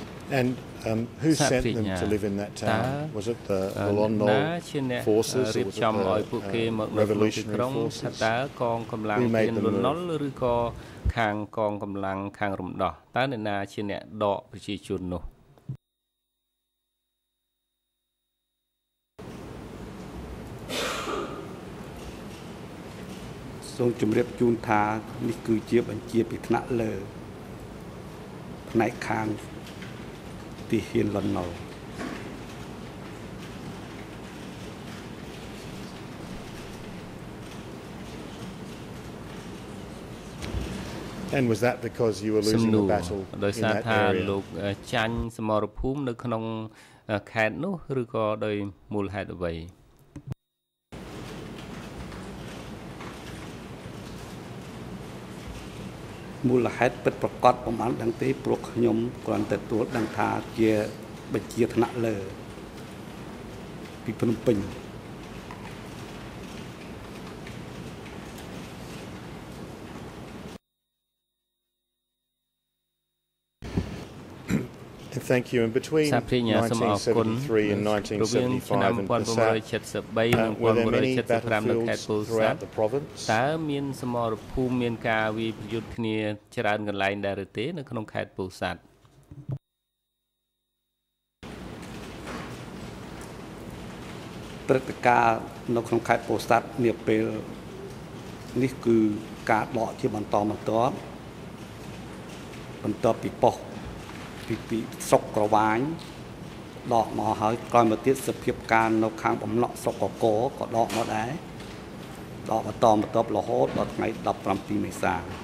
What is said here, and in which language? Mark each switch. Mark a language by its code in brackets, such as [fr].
[en] And who sent them to live in that town? Was it the Lonnol forces or was it the revolutionary forces? Who made them move? [km] ឬក៏ខាងកងកម្លាំងខាងរំដោះ តើអ្នកណាជាអ្នកដកប្រជាជននោះ សូមជម្រាបជូនថានេះគឺជាបញ្ជាពីថ្នាក់លើផ្នែកខាងទីហ៊ានលន់ណុល [en] And was that because you were losing the battle in that area? [km] ដោយសារលោកចាញ់សមរភូមិនៅក្នុងខេត្តនោះឬក៏ដោយមូលហេតុអ្វី មូលហេតុពិតប្រកបប្រមាណដឹងទេព្រោះខ្ញុំគ្រាន់តែទួលដឹងថាជាបញ្ជាថ្នាក់លើពីភ្នំពេញ [en] And thank you. And between 1973 and 1975 in the south, were there many battlefields throughout the province? [km] តើមានសមរភូមិមានការវាយប្រយុទ្ធគ្នាច្រើនកន្លែងដែរឬទេនៅក្នុងខេត្តពោធិ៍សាត់ ព្រឹត្តិការណ៍នៅក្នុងខេត្តពោធិ៍សាត់នាពេលនេះគឺការដកជាបន្តបន្ទាប់ពីប៉ោះពីស្រុកក្រវាញដកមកហើយក្រោយមកទៀតសភាពការនៅខាងបំណក់ស្រុកកកក៏ដកមកដែរដកបន្តបន្ទាប់រហូតដល់ថ្ងៃ17មេសា